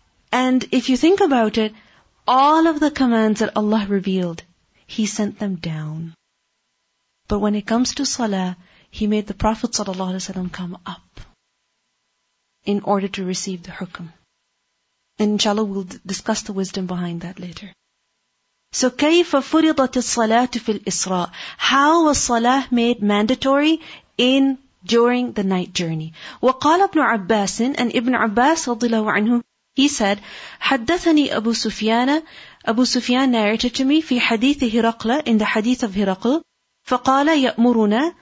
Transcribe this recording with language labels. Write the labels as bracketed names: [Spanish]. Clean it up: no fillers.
[English] And if you think about it, all of the commands that Allah revealed, He sent them down. But when it comes to salah, He made the Prophet sallallahu alaihi wasallam come up in order to receive the hukm. And inshallah we'll discuss the wisdom behind that later. [Arabic] So كيف فرضت الصلاة في الإسراء? [English] How was salah made mandatory during the night journey? [Arabic] وقال ابن عباس, [English] and Ibn Abbas [Arabic] رضي الله عنه, [English] he said, [Arabic] حدثني أبو سفيان, أبو سفيان [English] narrated to me [Arabic] في حديث هرقل, [English] in the hadith of [Arabic] هرقل, فقال يأمرنا.